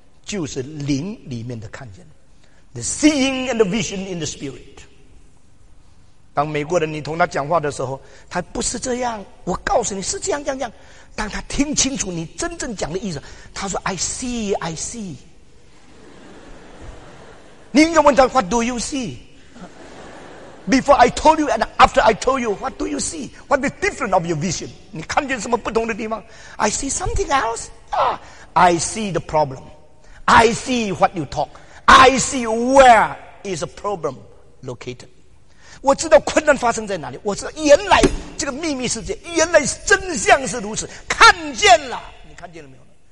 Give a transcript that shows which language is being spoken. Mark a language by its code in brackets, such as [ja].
[zh] 就是灵里面的看见， [en] The seeing and the vision in the spirit。 [zh] 当美国人你同他讲话的时候，他不是这样，我告诉你是这样这样这样，当他听清楚你真正讲的意思，他说 [en] I see I see。 [zh] 你应该问他 [en] What do you see before I told you and after I told you, what do you see? What is different of your vision? [zh] 你看见什么不同的地方？ [en] I see something else. Ah, I see the problem. I see what you talk. I see where is the problem located. [zh] 我知道困难发生在哪里，我知道原来这个秘密世界，原来真相是如此，看见了。你看见了没有？